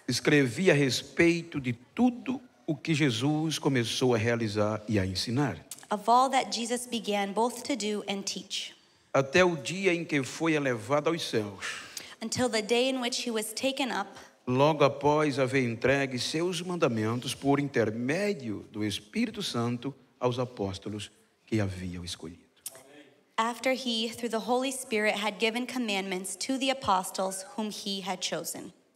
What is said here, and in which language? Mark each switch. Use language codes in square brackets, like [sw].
[pt] escrevi a respeito de tudo o que Jesus começou a realizar e a ensinar. [en] Of all that Jesus began both to do and teach. [pt] Até o dia em que foi elevado aos céus. [en] Until the day in which he was taken up. [pt] Logo após haver entregue seus mandamentos por intermédio do Espírito Santo aos apóstolos que haviam escolhido. [en] After he, through the Holy Spirit, had given commandments to the apostles whom he had chosen.